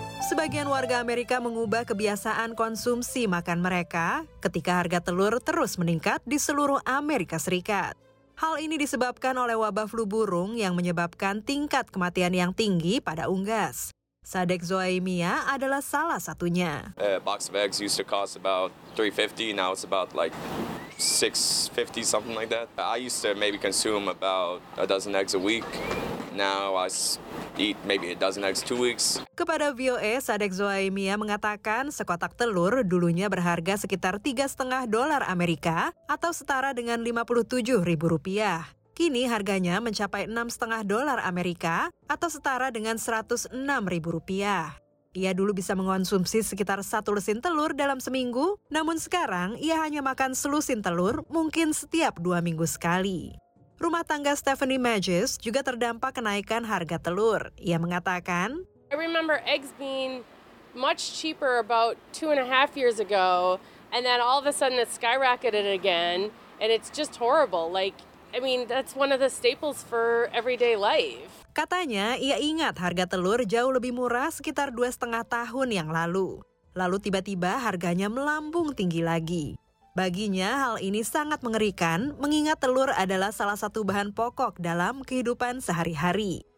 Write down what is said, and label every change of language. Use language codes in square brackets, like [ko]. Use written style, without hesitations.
[id] Sebagian warga Amerika mengubah kebiasaan konsumsi makan mereka ketika harga telur terus meningkat di seluruh Amerika Serikat. Hal ini disebabkan oleh wabah flu burung yang menyebabkan tingkat kematian yang tinggi pada unggas. Sadek Zoaimia adalah salah satunya. [en] A box of eggs used to cost about $3.50, now it's about like $6.50, something like that. I used to maybe consume about a dozen eggs a week. Now I eat maybe a dozen eggs 2 weeks. [id] Kepada VOA, Sadek Zoaimia mengatakan sekotak telur dulunya berharga sekitar $3.50 atau setara dengan Rp57.000. Kini harganya mencapai $6.50 atau setara dengan Rp106.000. Ia dulu bisa mengonsumsi sekitar 1 lusin telur dalam seminggu, namun sekarang ia hanya makan selusin telur mungkin setiap 2 minggu sekali. Rumah tangga Stephanie Magis juga terdampak kenaikan harga telur. Ia mengatakan, [en] I remember eggs being much cheaper about 2.5 years ago, and then all of a sudden it skyrocketed again, and it's just horrible. Like, I mean, that's one of the staples for everyday life. [id] Katanya, ia ingat harga telur jauh lebih murah sekitar 2.5 tahun yang lalu. Lalu tiba-tiba harganya melambung tinggi lagi. Baginya, hal ini sangat mengerikan, mengingat telur adalah salah satu bahan pokok dalam kehidupan sehari-hari.